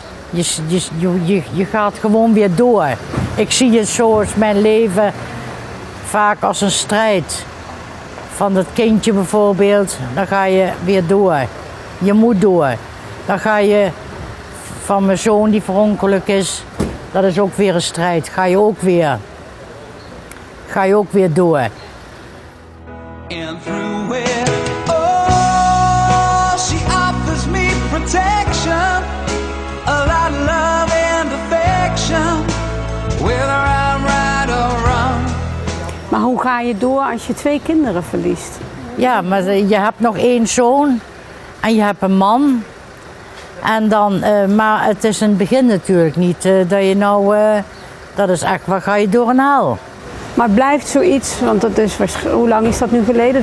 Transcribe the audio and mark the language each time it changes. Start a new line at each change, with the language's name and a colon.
Dutch: Je gaat gewoon weer door. Ik zie het zoals mijn leven vaak als een strijd. Van dat kindje bijvoorbeeld, dan ga je weer door. Je moet door. Dan ga je van mijn zoon die verongelukt is. Dat is ook weer een strijd. Ga je ook weer door.
English: En through it, oh, she offers me protection. A lot of love and affection. Whether I'm right or wrong.
Dutch: Maar hoe ga je door als je twee kinderen verliest? Ja, maar je hebt nog 1 zoon. En je hebt een man. En dan, maar het is een begin natuurlijk niet, dat je nou, dat is echt, waar ga je door en haal? Maar blijft zoiets, want dat is, hoe lang is dat nu geleden?